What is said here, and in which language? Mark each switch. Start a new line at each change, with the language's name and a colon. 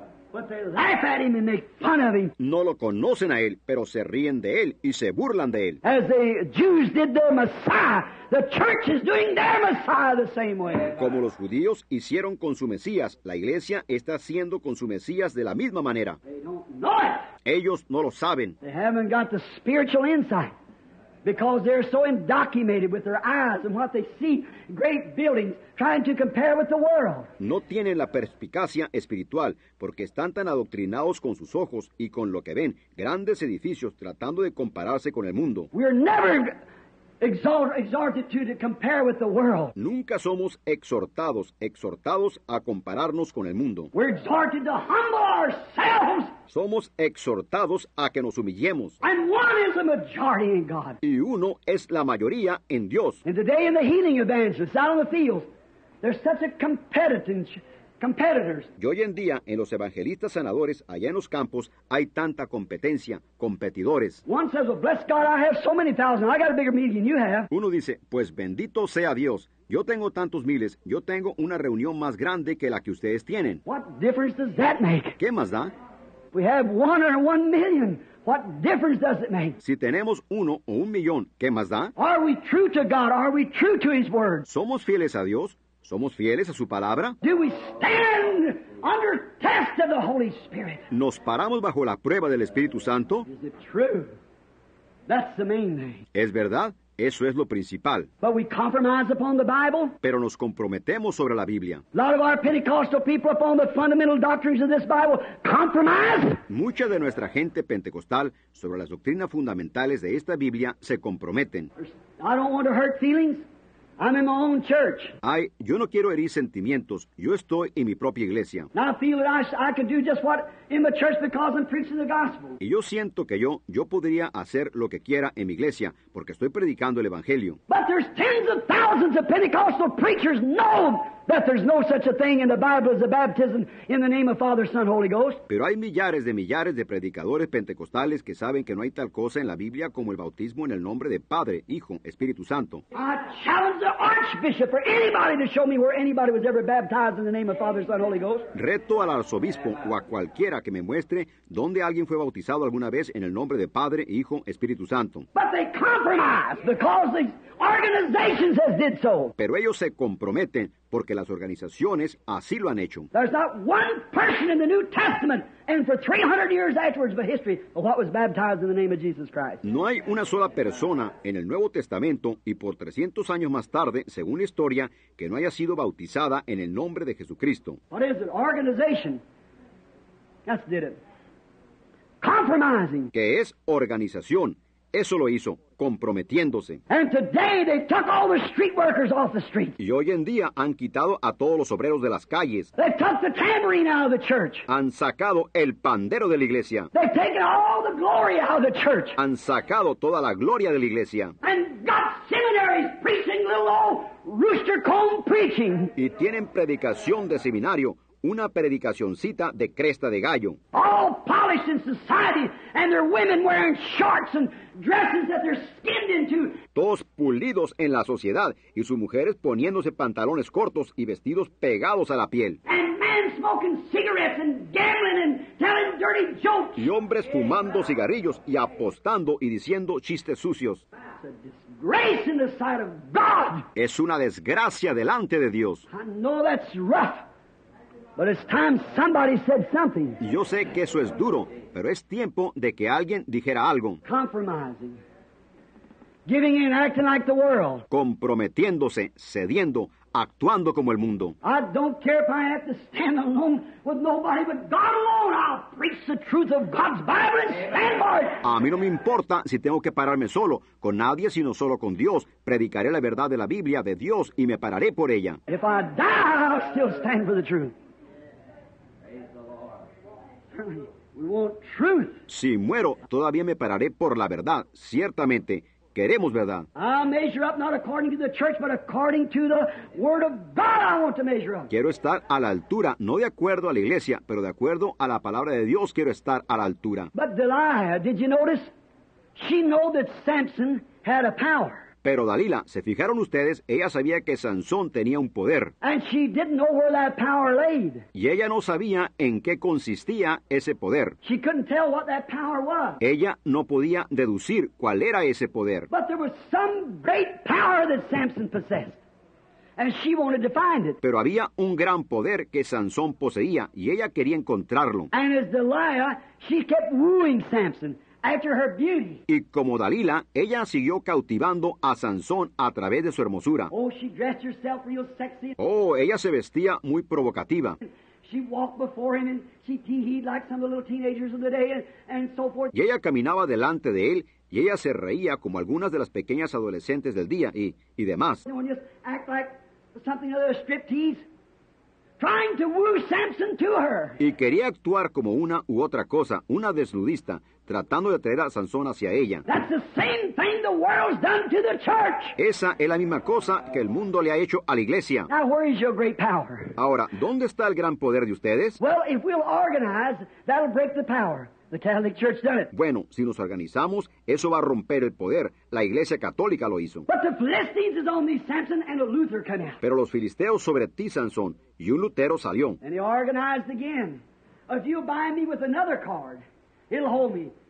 English: But they laugh at him and make fun of him.
Spanish: No lo conocen a él, pero se ríen de él y se burlan de él.
English: As the Jews did their Messiah, the church is doing their Messiah the same way.
Spanish: Como los judíos hicieron con su Mesías, la iglesia está haciendo con su Mesías de la misma manera.
English: They don't know it.
Spanish: Ellos no lo saben.
English: They haven't got the spiritual insight because they're so indoctrinated with their eyes and what they see, great buildings, trying to compare with the world.
Spanish: No tienen la perspicacia espiritual porque están tan adoctrinados con sus ojos y con lo que ven, grandes edificios tratando de compararse con el mundo.
English: We're never exhorted to compare with the world.
Spanish: Nunca somos exhortados a compararnos con el mundo.
English: We're exhorted to humble ourselves.
Spanish: Somos exhortados a que nos humillemos.
English: And one is a majority in God.
Spanish: Y uno es la mayoría en Dios.
English: And today in the healing evangelists out on the field, there's such a competitors.
Spanish: Y hoy en día, en los evangelistas sanadores, allá en los campos, hay tanta competencia, competidores.
English: One says, well, bless God, I have so many thousands. I got a bigger meeting than you have.
Spanish: Uno dice, pues bendito sea Dios. Yo tengo tantos miles. Yo tengo una reunión más grande que la que ustedes tienen.
English: What difference does that make?
Spanish: ¿Qué más da?
English: We have one or 1 million. What difference does it make?
Spanish: Si tenemos uno o 1 millón, ¿qué más da?
English: Are we true to God? Are we true to His Word?
Spanish: ¿Somos fieles a Dios? ¿Somos fieles a su palabra?
English: Do we stand under test of the Holy Spirit?
Spanish: ¿Nos paramos bajo la prueba del Espíritu Santo?
English: Is it true? That's the main thing.
Spanish: ¿Es verdad? Eso es lo principal.
English: But we compromise upon the Bible.
Spanish: Pero nos comprometemos sobre la Biblia.
English: A lot of our Pentecostal people upon the fundamental doctrines of this Bible compromise.
Spanish: Mucha de nuestra gente pentecostal sobre las doctrinas fundamentales de esta Biblia se comprometen.
English: I don't want to hurt feelings. I'm in my own church.
Spanish: Ay, yo no quiero herir sentimientos. Yo estoy en mi propia iglesia.
English: Now I feel that I can do just what in my church because I'm preaching the gospel.
Spanish: Y yo siento que yo podría hacer lo que quiera en mi iglesia porque estoy predicando el evangelio.
English: But there's tens of thousands of Pentecostal preachers know that there's no such a thing in the Bible as a baptism in the name of Father, Son, Holy Ghost.
Spanish: Pero hay millares de predicadores pentecostales que saben que no hay tal cosa en la Biblia como el bautismo en el nombre de Padre, Hijo, Espíritu Santo.
English: I challenge the archbishop or anybody to show me where anybody was ever baptized in the name of Father, Son, Holy Ghost.
Spanish: Reto al arzobispo o a cualquiera que me muestre dónde alguien fue bautizado alguna vez en el nombre de Padre, Hijo, Espíritu Santo.
English: But they compromise because they... organizations has did so.
Spanish: Pero ellos se comprometen porque las organizaciones así lo han hecho.
English: There's not one person in the New Testament and for 300 years afterwards of history of what was baptized in the name of Jesus Christ.
Spanish: No hay una sola persona en el Nuevo Testamento y por 300 años más tarde, según la historia, que no haya sido bautizada en el nombre de Jesucristo.
English: What is it? Organization. That's did it. Compromising.
Spanish: ¿Qué es organización? Eso lo hizo, comprometiéndose.
English: And today they took all the street workers off the street.
Spanish: Y hoy en día han quitado a todos los obreros de las calles.
English: They took the tambourine out of the church.
Spanish: Han sacado el pandero de la iglesia.
English: They've taken all the glory out of the church.
Spanish: Han sacado toda la gloria de la iglesia.
English: And got seminaries preaching little old rooster comb preaching.
Spanish: Y tienen predicación de seminario. Una predicacioncita de cresta de gallo.
English: All polished in society, and their women wearing shorts and dresses that they're skinned into.
Spanish: Todos pulidos en la sociedad, y sus mujeres poniéndose pantalones cortos y vestidos pegados a la piel.
English: And men smoking cigarettes and gambling and telling dirty jokes.
Spanish: Y hombres fumando cigarrillos y apostando y diciendo chistes sucios.
English: Grace in the sight of God.
Spanish: Es una desgracia delante de Dios.
English: I know that's rough. But it's time somebody said something.
Spanish: Yo sé que eso es duro, pero es tiempo de que alguien dijera algo.
English: Compromising. Giving in, acting like the world.
Spanish: Comprometiéndose, cediendo, actuando como el mundo.
English: I don't care if I have to stand alone with nobody but God alone. I'll preach the truth of God's Bible and stand by it.
Spanish: A mí no me importa si tengo que pararme solo, con nadie, sino solo con Dios. Predicaré la verdad de la Biblia, de Dios, y me pararé por ella.
English: If I die, I'll still stand for the truth. We want truth.
Spanish: Si muero, todavía me pararé por la verdad. Ciertamente, queremos verdad.
English: I measure up not according to the church, but according to the word of God I want to measure up.
Spanish: Quiero estar a la altura, no de acuerdo a la iglesia, pero de acuerdo a la palabra de Dios quiero estar a la altura.
English: But Delilah, did you notice? She knew that Samson had a power.
Spanish: Pero Dalila, ¿se fijaron ustedes? Ella sabía que Sansón tenía un poder.
English: And she didn't know where that power laid.
Spanish: Y ella no sabía en qué consistía ese poder.
English: She couldn't tell what that power was.
Spanish: Ella no podía deducir cuál era ese poder.
English: But there was some great power that Samson possessed. And she wanted to find it.
Spanish: Pero había un gran poder que Sansón poseía, y ella quería encontrarlo.
English: And as Delilah, she kept wooing Samson. After her beauty.
Spanish: Y como Dalila, ella siguió cautivando a Sansón a través de su hermosura.
English: Oh, she dressed herself real sexy.
Spanish: Oh, ella se vestía muy provocativa.
English: She walked before him and she tee-heed like some of the little teenagers of the day and so forth.
Spanish: Y ella caminaba delante de él y ella se reía como algunas de las pequeñas adolescentes del día y demás.
English: And just act like something other striptease. Trying to woo Samson to her.
Spanish: Y quería actuar como una u otra cosa, una desnudista, tratando de atraer a Sansón hacia ella.
English: That's the same thing the world's done to the church.
Spanish: Esa es la misma cosa que el mundo le ha hecho a la iglesia.
English: Now, where is your great power?
Spanish: Ahora, ¿dónde está el gran poder de ustedes?
English: Well, if we'll organize, that'll break the power. The Catholic Church done it.
Spanish: Bueno, si nos organizamos, eso va a romper el poder. La Iglesia Católica lo hizo.
English: But the Philistines is on these Samson and a Luther came out.
Spanish: Pero los filisteos sobre ti, Sansón, y un Lutero salió.
English: And they organized again. If you bind me with another cord, it'll hold me.